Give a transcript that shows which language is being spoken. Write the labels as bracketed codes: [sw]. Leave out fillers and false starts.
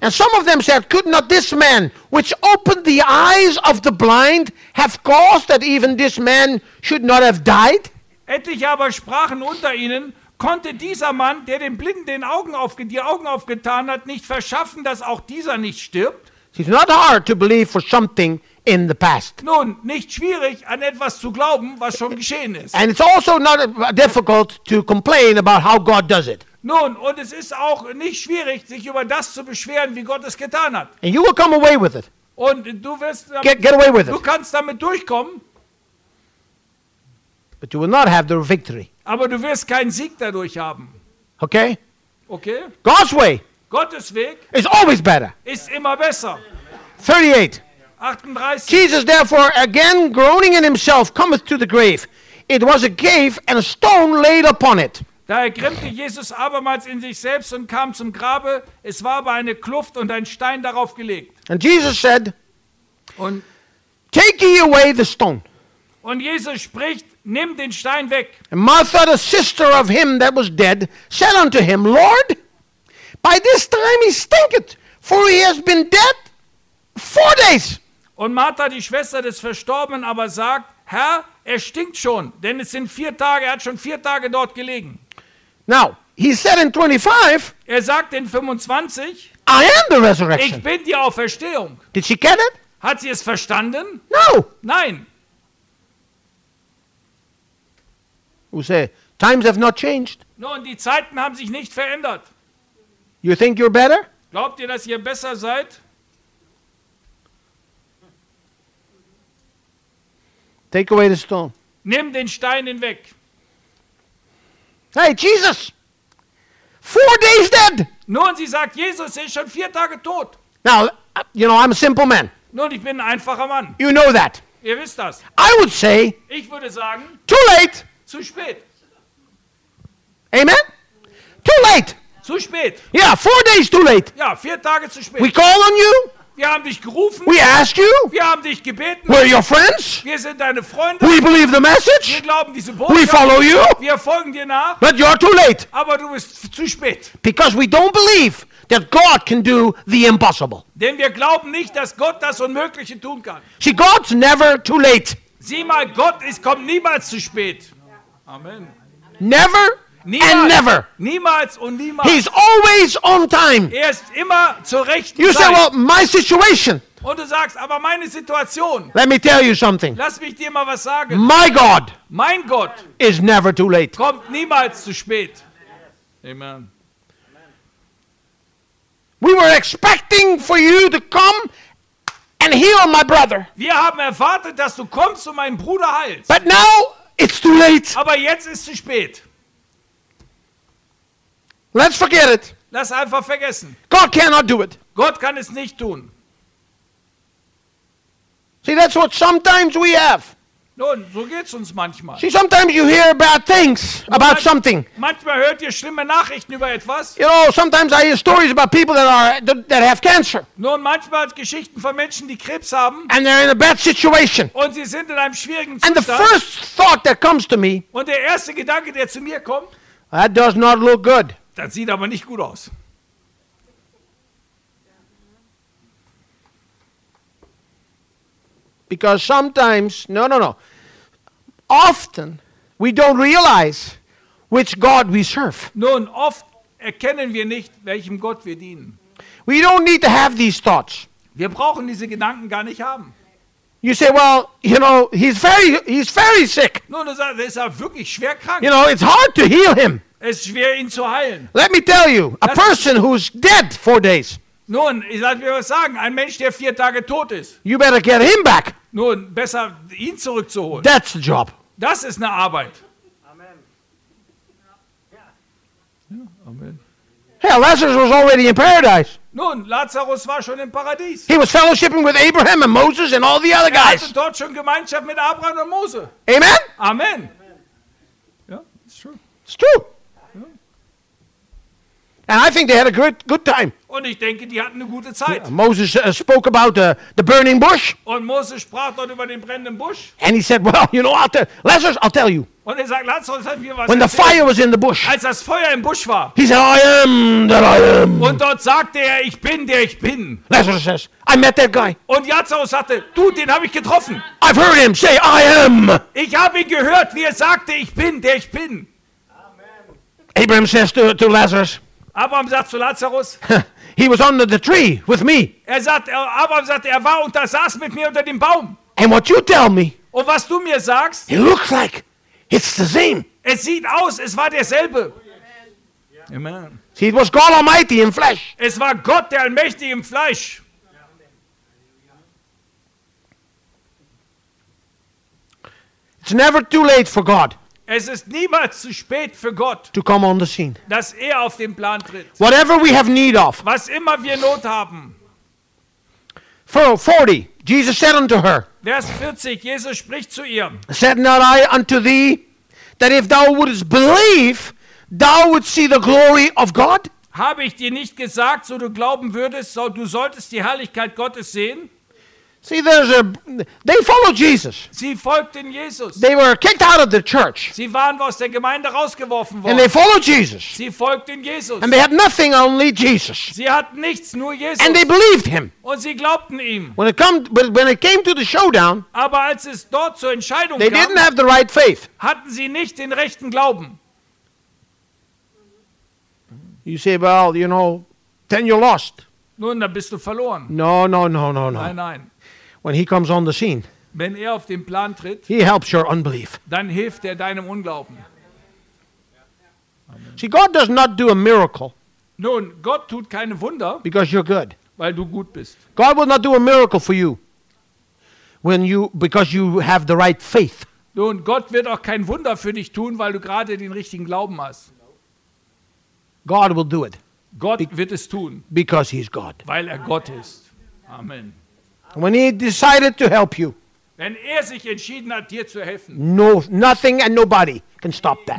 [en] And some of them said, could not this man, which opened the eyes of the blind, have caused that even this man should not have died? [de] Etliche aber sprachen unter ihnen, konnte dieser Mann, der den Blinden die Augen aufgetan hat, nicht verschaffen, dass auch dieser nicht stirbt? [en] It's not hard to believe for something in the past. [de] Nun, nicht schwierig, an etwas zu glauben, was schon geschehen ist. [en] And it's also not difficult to complain about how God does it. [de] Nun, und es ist auch nicht schwierig, sich über das zu beschweren, wie Gott es getan hat. [en] And you will come away with it. [de] Und du wirst damit, [en] get away with [de] du [en] it. [de] Kannst damit durchkommen. [en] But you will not have the victory. [de] Aber du wirst keinen Sieg dadurch haben. [en] Okay? Okay? God's way. [de] Gottes Weg. [en] Is always better. [de] Ist immer besser. 38. [en] Jesus therefore again groaning in himself cometh to the grave. It was a cave and a stone laid upon it. [de] Da ergrimmte Jesus abermals in sich selbst und kam zum Grabe. Es war aber eine Kluft und ein Stein darauf gelegt. [en] And Jesus said, [de] und [en] take ye away the stone. [de] Und Jesus spricht, nimm den Stein weg. [en] And Martha, the sister of him that was dead, said unto him, Lord, by this time he stinketh, for he has been dead 4 days. [de] Und Martha, die Schwester des Verstorbenen, aber sagt, Herr, er stinkt schon, denn es sind 4 Tage, er hat schon 4 Tage dort gelegen. [en] Now, he said in 25, [de] er sagt in 25, [en] I am the resurrection. [de] Ich bin die Auferstehung. [en] Did she get it? [de] Hat sie es verstanden? [en] No. [de] Nein. [en] Who say times have not changed? [de] No, und die Zeiten haben sich nicht verändert. [en] You think you're better? [de] Glaubt ihr, dass ihr besser seid? [en] Take away the stone. [de] Nimm den Stein hinweg. [en] Hey Jesus, 4 days dead. [de] Nun, und sie sagt, Jesus ist schon 4 Tage tot. [en] Now, you know, I'm a simple man. [de] Nun, ich bin ein einfacher Mann. [en] You know that. [de] Ihr wisst das. [en] I would say. [de] Ich würde sagen. [en] Too late. [de] Zu spät. [en] Amen? Too late. [de] Zu spät. [en] Yeah, 4 days too late. [de] Ja, 4 Tage zu spät. [en] We call on you. [de] Wir haben dich gerufen. [en] We asked you. [de] Wir haben dich gebeten. [en] We're your friends. [de] Wir sind deine Freunde. [en] We believe the message. [de] Wir glauben diese Botschaft. [en] We follow you. [de] Wir folgen dir nach. [en] But you're too late. [de] Aber du bist zu spät. [en] Because we don't believe that God can do the impossible. [de] Denn wir glauben nicht, dass Gott das Unmögliche tun kann. [en] See, God's never too late. [de] Sieh mal, Gott ist kommt niemals zu spät. [en] Amen. Never [de] niemals, [en] and never. [de] Niemals und niemals. [en] He's always on time. [de] Er ist immer zur rechten [en] you [de] Zeit. [en] You say, well, my situation. [de] Und du sagst, aber meine Situation. [en] Let me tell you something. [de] Lass mich dir mal was sagen. [en] My God. [de] Mein Gott. [en] Is never too late. [de] Kommt niemals zu spät. Amen. [en] We were expecting for you to come and heal my brother. [de] Wir haben erwartet, dass du kommst und meinen Bruder heilst. [en] But now. It's too late. [de] Aber jetzt ist zu spät. [en] Let's forget it. [de] Lass einfach vergessen. [en] God cannot do it. [de] Gott kann es nicht tun. [en] See, that's what sometimes we have. [de] Nun, so geht's uns manchmal. [en] See, sometimes you hear bad things about something. [de] Manchmal hört ihr schlimme Nachrichten über etwas. [en] You know, sometimes I hear stories about people that have cancer. [de] Nun, manchmal Geschichten von Menschen, die Krebs haben. [en] And they're in a bad situation. [de] Und sie sind in einem schwierigen Zustand. [en] And the first thought that comes to me. [de] Und der erste Gedanke, der zu mir kommt. [en] That does not look good. [de] Das sieht aber nicht gut aus. [en] Because sometimes, no. Often, we don't realize which God we serve. [de] Nun, oft erkennen wir nicht, welchem Gott wir dienen. [en] We don't need to have these thoughts. [de] Wir brauchen diese Gedanken gar nicht haben. [en] You say, well, you know, he's very sick. [de] Nun, du sagst, er ist wirklich schwer krank. [en] You know, it's hard to heal him. [de] Es ist schwer, ihn zu heilen. [en] Let me tell you, a person who's dead 4 days. [de] Nun, ich sollte mir was sagen, ein Mensch, der 4 Tage tot ist. [en] You better get him back. [de] Nun, besser ihn zurückzuholen. [en] That's the job. [de] Das ist eine Arbeit. [en] Amen. [de] Ja. Ja. Amen. [en] Hell, Lazarus was already in paradise. [de] Nun, Lazarus war schon im Paradies. [en] He was fellowshipping with Abraham and Moses and all the other guys. [de] Er hatte dort schon Gemeinschaft mit Abraham und Mose. [en] Amen? Amen. Amen. Yeah, it's true. It's true. And I think they had a good time. [de] Und ich denke, die hatten eine gute Zeit. [en] Moses spoke about the burning bush. [de] Und Moses sprach dort über den brennenden Busch. [en] And he said, well, you know, Lazarus, I'll tell you. [de] Und er sagt, Lazarus, hat mir was [en] When [de] erzählt, [en] the fire was in the bush. [de] Als das Feuer im Busch war. [en] He said, I am that I am. [de] Und dort sagte er, ich bin, der ich bin. [en] Lazarus says, I met that guy. [de] Und Lazarus sagte, du, den habe ich getroffen. [en] I've heard him say, I am. [de] Ich habe ihn gehört, wie er sagte, ich bin, der ich bin. [en] Amen. Abraham says to Lazarus, [de] Abraham sagt zu Lazarus, [en] he was under the tree with me. [de] Er sagt, Abraham sagt, er war und er saß mit mir unter dem Baum. [en] And what you tell me, [de] und was du mir sagst, [en] it looks like it's the same. [de] Es sieht aus, es war derselbe. [en] Amen. Yeah. Amen. See, it was God Almighty in flesh. [de] Es war Gott, der Allmächtige im Fleisch. [en] It's never too late for God. [de] Es ist niemals zu spät für Gott, [en] to come on the scene. [de] Dass er auf den Plan tritt. [en] Whatever we have need of. [de] Was immer wir Not haben. [en] For 40, Jesus said unto her. [de] Vers 40, Jesus spricht zu ihr. [en] Said not I unto thee, that if thou wouldest believe, thou wouldst see the glory of God? [de] Habe ich dir nicht gesagt, so du glauben würdest, so du solltest die Herrlichkeit Gottes sehen? [en] See, there's a. They followed Jesus. [de] Sie folgten Jesus. [en] They were kicked out of the church. [de] Sie waren aus der Gemeinde rausgeworfen worden. [en] And they followed Jesus. [de] Sie folgten Jesus. [en] And they had nothing, only Jesus. [de] Sie hatten nichts, nur Jesus. [en] And they believed him. [de] Und sie glaubten ihm. [en] When it came to the showdown, [de] aber als es dort zur Entscheidung [en] they [de] kam, [en] didn't have the right faith. [de] Hatten sie nicht den rechten Glauben. [en] You say, well, you know, then you're lost. [de] Nun, da bist du verloren. [en] No. [de] Nein, nein. [en] When he comes on the scene, [de] wenn er auf den Plan tritt, [en] he helps your unbelief. [de] Dann hilft er deinem Unglauben. [en] Amen. See, God does not do a miracle. [de] Nun, Gott tut keine Wunder, [en] because you're good. [de] Weil du gut bist. [en] God will not do a miracle for you when you because you have the right faith. [de] Nun, Gott wird auch kein Wunder für dich tun, weil du gerade den richtigen Glauben hast. [en] God will do it. [de] Gott wird es tun. [en] Because he's God. [de] Weil er Gott ist. Amen. [en] When he decided to help you, [de] wenn er sich entschieden hat, dir zu helfen, [en] no, nothing and nobody can stop that.